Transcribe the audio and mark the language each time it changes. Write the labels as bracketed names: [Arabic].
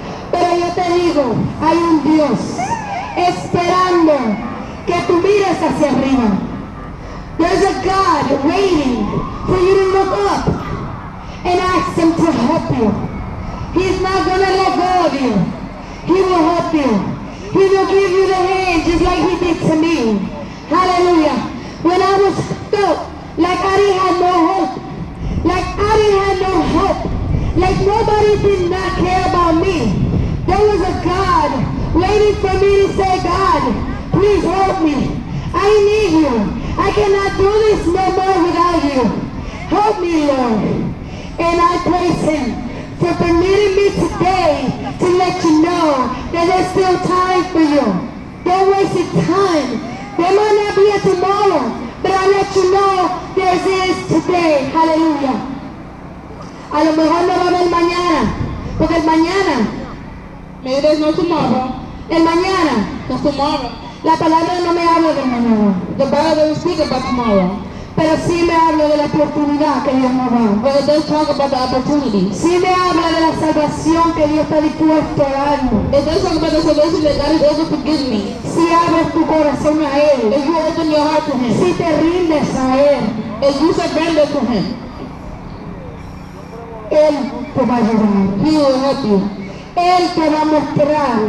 [Spanish] Pero yo te digo, hay un Dios esperando que tú mires hacia arriba. [English] There's a God waiting for you to look up and ask him to help you. He's not gonna let go of you. He will help you. He will give you the hand just like he did to me. Hallelujah. When I was stuck, like I didn't have no hope. Like I didn't have no hope. Like nobody did not care about me. There was a God waiting for me to say, God, please help me. I need you. I cannot do this no more without you. Help me, Lord. And I praise him for permitting me today to let you know that there's still time for you. Don't waste your time. There might not be a tomorrow, but I let you know there is today. Hallelujah. [Spanish] A lo mejor no va a haber mañana, porque el mañana, [English] maybe there's no tomorrow. [Spanish] El mañana, [English] no tomorrow. [Spanish] La palabra no me habla de mañana. [English] The Bible doesn't speak about tomorrow. [Spanish] Pero sí me habla de la oportunidad que Dios me da. [English] But it does talk about the opportunity. [Spanish] Sí me habla de la salvación que Dios está dispuesto a darme. [English] It does talk about the salvation that God is able to forgive me. [Spanish] Si abres tu corazón a él. [English] If you open your heart to him. [Spanish] Si te rindes a él. [English] If you surrender to him. [Spanish] Él te va a ayudar. [English] He will help you. [Spanish] Él te va a mostrar,